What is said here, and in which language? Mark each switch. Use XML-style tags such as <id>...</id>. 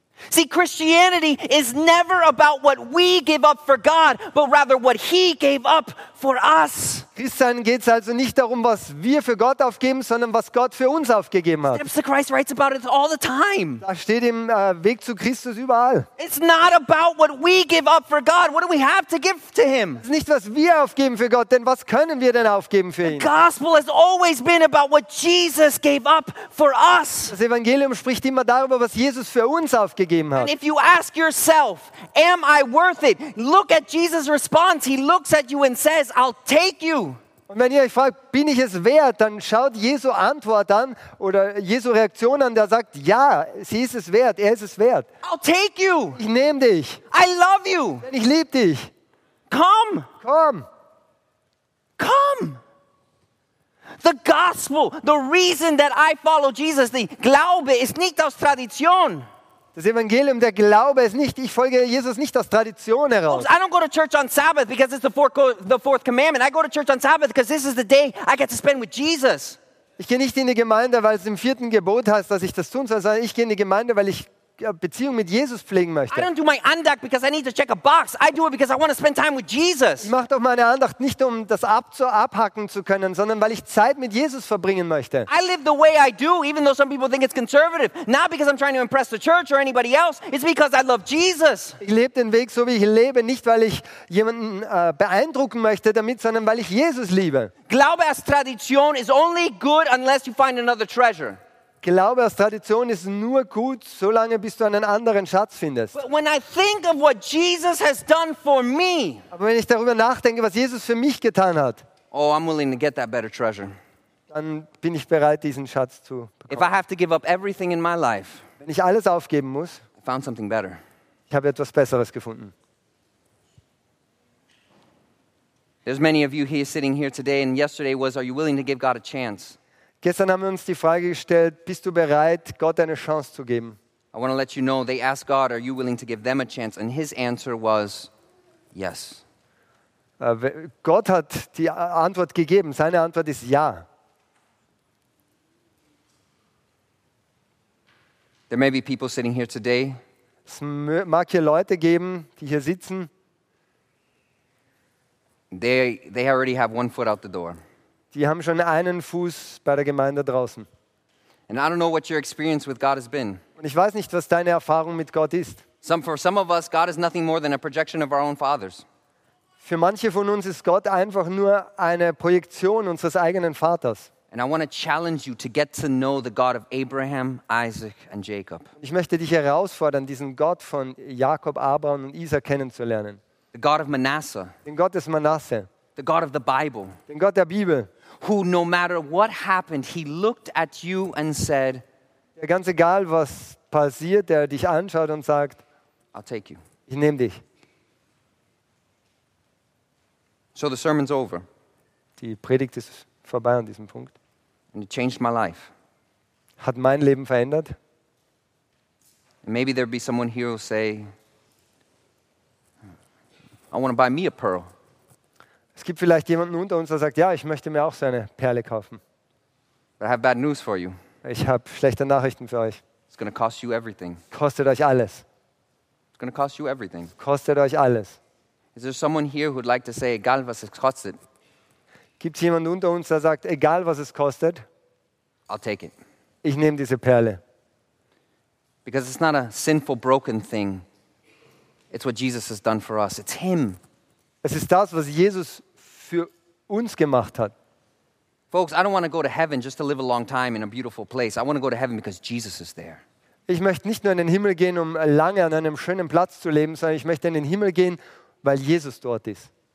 <en>See, Christianity is never about what we give up for God, but rather what he gave up for us.</en> <de>Christian geht es also nicht darum, was wir für Gott aufgeben, sondern was Gott für uns aufgegeben hat.</de> <en>Steps to Christ writes about it all the time.</en> <de>Da steht im Weg zu Christus überall.</de> <en>It's not about what we give up for God. What do we have to give to him?</en> <de>Es ist nicht, was wir aufgeben für Gott, denn was können wir denn aufgeben für ihn?</de> <en>The gospel has always been about what Jesus gave up for us.</en> <de>Das Evangelium spricht immer darüber, was Jesus für uns aufgegeben hat.</de> <en>And if you ask yourself, am I worth it? Look at Jesus' response. He looks at you and says, I'll take you.</en> <de>Und wenn ihr euch fragt, bin ich es wert, dann schaut Jesu Antwort an oder Jesu Reaktion an, der sagt, ja, sie ist es wert, ist es wert.</de> <en>I'll take you.</en> <de>Ich nehme dich.</de> <en>I love you.</en> <de>Denn ich liebe dich.</de> <en>Come. Come. Come. The gospel, the reason that I follow Jesus, the</en> <de>Glaube ist nicht aus Tradition. Das Evangelium, der Glaube ist nicht, ich folge Jesus nicht aus Tradition heraus.</de> <en>I don't go to church on Sabbath because it's the fourth commandment. I go to church on Sabbath because this is the day I get to spend with Jesus.</en> <de>Ich gehe nicht in die Gemeinde, weil es im vierten Gebot heißt, dass ich das tun soll, sondern ich gehe in die Gemeinde, weil ich Beziehung mit Jesus pflegen möchte.</de> <en>I don't do my Andacht because I need to check a box. I do it because I want to spend time with Jesus.</en> <de>Ich mache doch meine Andacht nicht, um das abhaken zu können, sondern weil ich Zeit mit Jesus verbringen möchte.</de> <en>I live the way I do, even though some people think it's conservative. Not because I'm trying to impress the church or anybody else. It's because I love Jesus.</en> <de>Ich lebe den Weg so, wie ich lebe, nicht weil ich jemanden beeindrucken möchte damit, sondern weil ich Jesus liebe. Glaube als Tradition</de> <en>is only good unless you find another treasure.</en> <de>Glaube aus Tradition ist nur gut, solange bis du einen anderen Schatz findest.</de> <en>But when I think of what Jesus has done for me,</en> <de>aber wenn ich darüber nachdenke, was Jesus für mich getan hat,</de> <en>oh, I'm willing to get that better treasure.</en> <de>Dann bin ich bereit, diesen Schatz zu bekommen.</de> <en>If I have to give up everything in my life,</en> <de>wenn ich alles aufgeben muss,</de> <en>I found something better.</en> <de>Ich habe etwas Besseres gefunden.</de> <en>There's many of you here sitting here today, and yesterday was, are you willing to give God a chance?</en> <de>Gestern haben wir uns die Frage gestellt, bist du bereit, Gott eine Chance zu geben?</de> <en>I want to let you know, they asked God, are you willing to give them a chance? And his answer was, yes.</en> <de>Gott hat die Antwort gegeben. Seine Antwort ist ja.</de> <en>There may be people sitting here today.</en> <de>Es mag hier Leute geben, die hier sitzen.</de> <en>They already have one foot out the door.</en> <de>Die haben schon einen Fuß bei der Gemeinde draußen.</de> <en>And I don't know what your experience with God has been.</en> <de>Und ich weiß nicht, was deine Erfahrung mit Gott ist.</de> <en>For some of us, God is nothing more than a projection of our own fathers.</en> <de>Für manche von uns ist Gott einfach nur eine Projektion unseres eigenen Vaters.</de> <en>And I want to challenge you to get to know the God of Abraham, Isaac and Jacob.</en> <de>Ich möchte dich herausfordern, diesen Gott von Jakob, Abraham und Isaac kennenzulernen.</de> <en>The God of Manasseh.</en> <de>Den Gott des Manasse.</de> <en>The God of the Bible.</en> <de>Den Gott der Bibel.</de> <en>Who, no matter what happened, he looked at you and said,</en> <de>der ganz egal, was passiert, der dich anschaut und sagt,</de> <en>I'll take you.</en> <de>Ich nehme dich.</de> <en>So the sermon's over.</en> <de>Die Predigt ist vorbei an diesem Punkt.</de> <en>And it changed my life.</en> <de>Hat mein Leben verändert.</de> <en>And maybe there'd be someone here who'll say, I want to buy me a pearl.</en> <de>Es gibt vielleicht jemanden unter uns, der sagt, ja, ich möchte mir auch so eine Perle kaufen.</de> <en>I have bad news for you.</en> <de>Ich habe schlechte Nachrichten für euch.</de> <en>It's gonna cost you everything.</en> <de>Kostet euch alles.</de> <en>It's gonna cost you everything.</en> <de>Kostet euch alles.</de> <en>Is there someone here who'd like to say,</en> <de>egal was es kostet? Gibt es jemanden unter uns, der sagt, egal was es kostet?</de> <en>I'll take it.</en> <de>Ich nehme diese Perle.</de> <en>Because it's not a sinful, broken thing. It's what Jesus has done for us. It's him.</en> <de>Es ist das, was Jesus für uns gemacht hat.</de> <en>Folks, I don't want to go to heaven just to live a long time in a beautiful place. I want to go to heaven because Jesus is there.</en> <de>Ich möchte nicht nur in den Himmel gehen, um lange an einem schönen Platz zu leben, sondern ich möchte in den Himmel gehen, weil Jesus dort ist.</de>